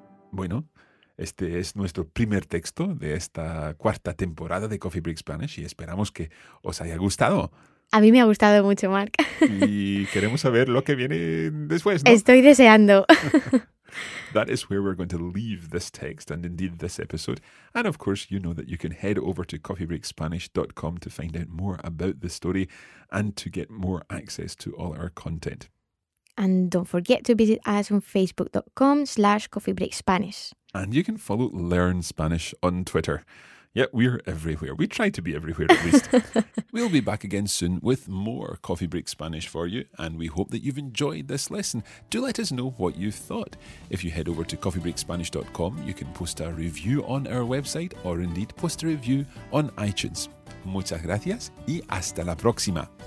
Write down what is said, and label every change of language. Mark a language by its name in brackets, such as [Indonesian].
[Spanish] Bueno, este es nuestro primer texto de esta cuarta temporada de Coffee Break Spanish y esperamos que os haya gustado. A mí me ha gustado mucho, Mark. Y queremos saber lo que viene después, ¿no? Estoy deseando. [English] That is where we're going to leave this text and indeed this episode. And of course, you know that you can head over to coffeebreakspanish.com to find out more about the story and to get more access to all our content. And don't forget to visit us on facebook.com/coffeebreakspanish. And you can follow Learn Spanish on Twitter. Yeah, we're everywhere. We try to be everywhere at least. We'll be back again soon with more Coffee Break Spanish for you. And we hope that you've enjoyed this lesson. Do let us know what you thought. If you head over to coffeebreakspanish.com, you can post a review on our website or indeed post a review on iTunes. [Spanish] Muchas gracias y hasta la próxima.